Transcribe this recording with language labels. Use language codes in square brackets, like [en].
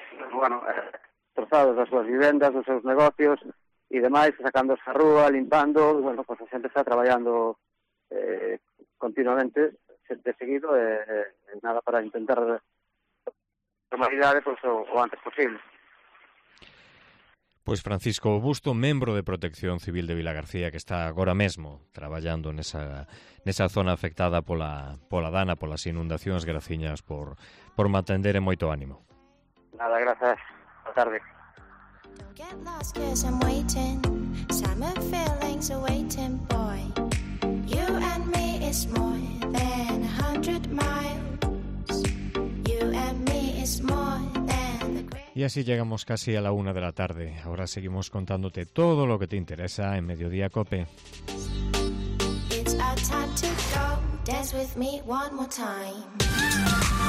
[gl] Bueno, destrozados das súas vivendas, dos seus negocios e demais, sacando esa rúa, limpando, bueno, pois pues a xente está traballando continuamente, de seguido, nada para intentar normalidade, pues, o antes posible. Pois Francisco Busto, membro de Protección Civil de Vilagarcía, que está agora mesmo traballando nesa zona afectada pola Dana, polas inundacións, graciñas por me atender e moito ánimo. Nada, grazas. Boa tarde. [en] Don't get lost 'cause I'm waiting. Summer feelings are waiting, boy. You and me is more than 100 miles. You and me is more. [es] Y así llegamos casi a la 1 de la tarde. Ahora seguimos contándote todo lo que te interesa en Mediodía Cope. [en] It's our time to go. Dance with me one more time.